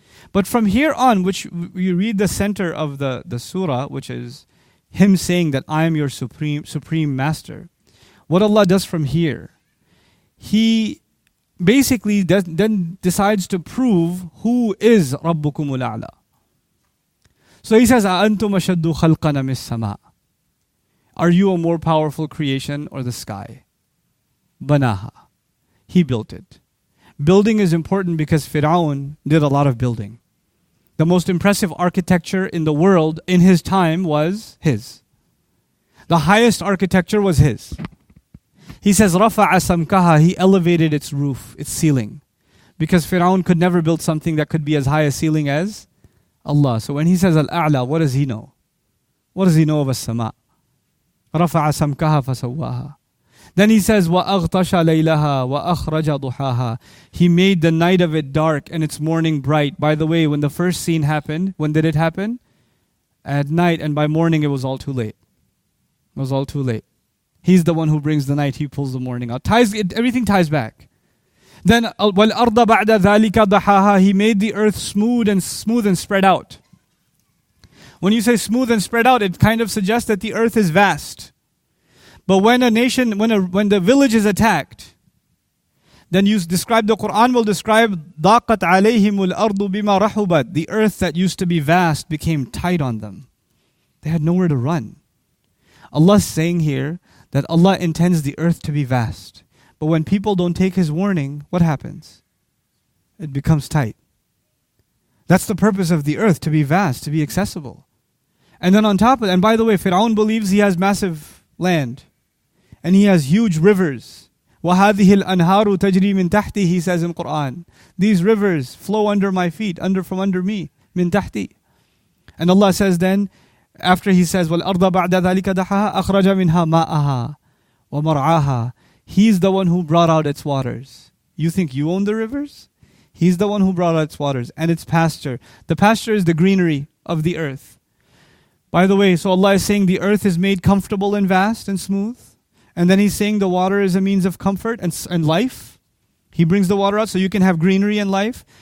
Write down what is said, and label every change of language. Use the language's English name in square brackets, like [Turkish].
[English] But from here on, which you read the center of the surah, which is him saying that I am your supreme master. What Allah does from here he basically then decides to prove who is Rabbukum al-A'la. So he says, [Arabic] أَأَنْتُمْ أَشَدُّ خَلْقَنَا مِنْ السَّمَاءِ. [English] Are you a more powerful creation or the sky? بَنَاهَا. He built it. Building is important because Fir'aun did a lot of building. The most impressive architecture in the world in his time was his. The highest architecture was his. He says, [Arabic] رَفَعَ سَمْكَهَا. [English] He elevated its roof, its ceiling. Because Fir'aun could never build something that could be as high a ceiling as Allah. So when he says Al-A'la, what does he know? What does he know of As-Sama'? [Arabic] رَفَعَ سَمْكَهَا فَسَوَّهَا. [English] Then he says, [Arabic] وَأَغْطَشَ لَيْلَهَا وَأَخْرَجَ ضُحَاهَا. [English] He made the night of it dark and its morning bright. By the way, when the first scene happened, when did it happen? At night, and by morning it was all too late. It was all too late. He's the one who brings the night, he pulls the morning out. Everything ties back. [Arabic] Then, وَالْأَرْضَ بَعْدَ ذَلِكَ ضُحَاهَا. [English] He made the earth smooth and spread out. When you say smooth and spread out, it kind of suggests that the earth is vast. But when a nation, when the village is attacked, then you describe, the Quran will describe, [Arabic] ضَاقَتْ عَلَيْهِمُ الْأَرْضُ بِمَا رَحُبَتْ. [English] The earth that used to be vast became tight on them. They had nowhere to run. Allah is saying here that Allah intends the earth to be vast. But when people don't take His warning, what happens? It becomes tight. That's the purpose of the earth, to be vast, to be accessible. And then on top of that, and by the way, Fir'aun believes he has massive land. And he has huge rivers. [Arabic] وَهَذِهِ الْأَنْهَارُ تَجْرِي مِنْ تَحْتِي. [English] He says in Quran, these rivers flow under my feet, from under me, [Arabic] مِنْ تَحْتِي. [English] And Allah says then, after He says, [Arabic] وَالْأَرْضَ بَعْدَ ذَلِكَ دَحَهَا أَخْرَجَ مِنْهَا مَاءَهَا وَمَرْعَاهَا. [English] He's the one who brought out its waters. You think you own the rivers? He's the one who brought out its waters and its pasture. The pasture is the greenery of the earth. By the way, so Allah is saying the earth is made comfortable and vast and smooth. And then He's saying the water is a means of comfort and life. He brings the water out so you can have greenery and life.